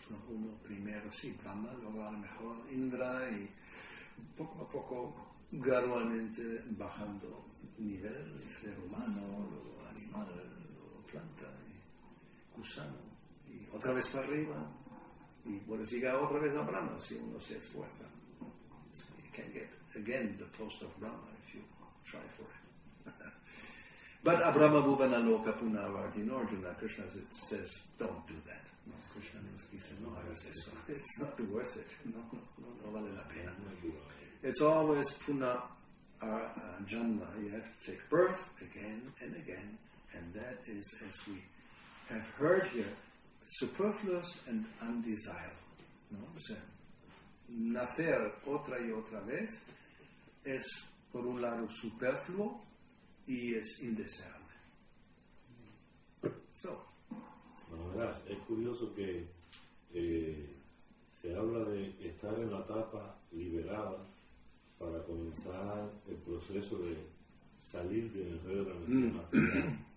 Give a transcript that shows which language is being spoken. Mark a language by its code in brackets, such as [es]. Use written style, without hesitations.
[es] Uno primero, sí, Brahma, luego a lo mejor Indra, y poco a poco, gradualmente bajando nivel, ser humano, luego animal, luego planta, y gusano, y otra vez para arriba. Y bueno, llega otra vez a Brahma si uno se esfuerza. [en] So you can get again the post of Brahma if you try for it. But Abrahma Bhuvana Loka Punavarti Arjuna, Krishna says, don't do that. No, Krishna says, no, it's not worth it. [es] No vale la pena. [en] It's always Punarjanma. You have to take birth again and again. And that is, as we have heard here, superfluous and undesirable. No? [es] O sea, nacer otra y otra vez es, por un lado, superfluo y es indeseable. [en] So. [es] Bueno, verás, es curioso que se habla de estar en la etapa liberada para comenzar el proceso de salir del enredo de la mente material.